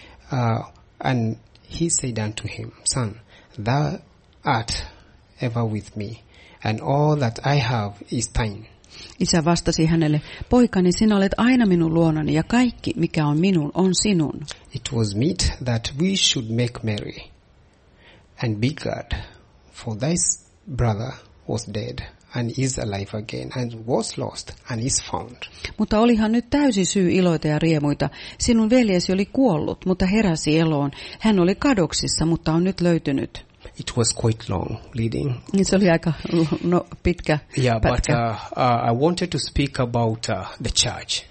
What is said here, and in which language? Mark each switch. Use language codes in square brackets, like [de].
[en] And he said unto him, Son, thou art ever with me. And all that I have is thine. [fi] Isä vastasi hänelle, poikani, sinä olet aina minun luonani ja kaikki, mikä on minun, on sinun. [en] It was meet that we should make merry and be glad, for thy brother was dead and is alive again and was lost and is found. [fi] Mutta olihan nyt täysin syy iloita ja riemuita. Sinun veljesi oli kuollut, mutta heräsi eloon. Hän oli kadoksissa, mutta on nyt löytynyt. [en] It was quite long leading. [fi] Se oli aika pitkä pätkä. [en] But I wanted to speak about the church.